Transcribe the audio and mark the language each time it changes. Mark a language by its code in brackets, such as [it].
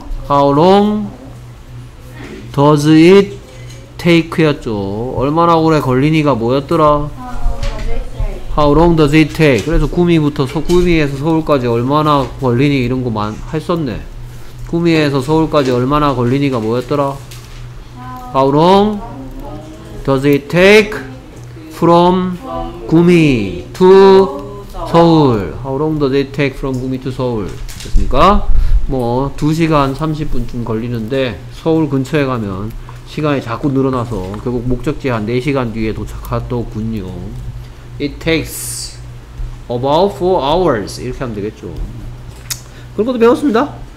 [en] How long does it take [ko] 였죠. 얼마나 오래 걸리니가 뭐였더라? [en] How long does it take? [ko] 그래서 구미에서 서울까지 얼마나 걸리니 이런 거 했었네. 구미에서 서울까지 얼마나 걸리니가 뭐였더라? [en] How long does it take from Gumi to Seoul? How long does it take from Gumi to Seoul? [ko] 됐습니까? 뭐 2시간 30분쯤 걸리는데 서울 근처에 가면 시간이 자꾸 늘어나서 결국 목적지 한 4시간 뒤에 도착하더군요. [en] It takes about 4 hours. [ko] 이렇게 하면 되겠죠. 그런 것도 배웠습니다.